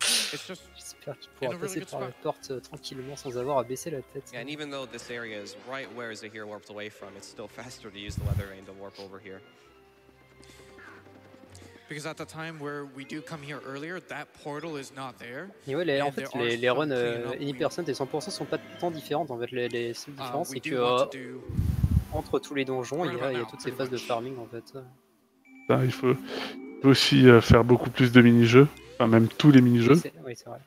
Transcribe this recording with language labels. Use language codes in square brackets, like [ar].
[fr] J'espère qu'il pourra passer par la porte tranquillement sans avoir à baisser la tête. [en] And even though this area is right where Zaire warped away from, it's still faster to use the weather vane to warp over here. Because at the time where we do come here earlier, that portal is not there. [fr] Et ouais, en fait, les runs Any% et 100% sont pas tant différentes. En fait, les seules différences, c'est que entre tous les donjons, il y a toutes ces phases de farming, en fait. Ben, il faut aussi faire beaucoup plus de mini-jeux. Enfin, même tous les mini-jeux. Oui, c'est vrai.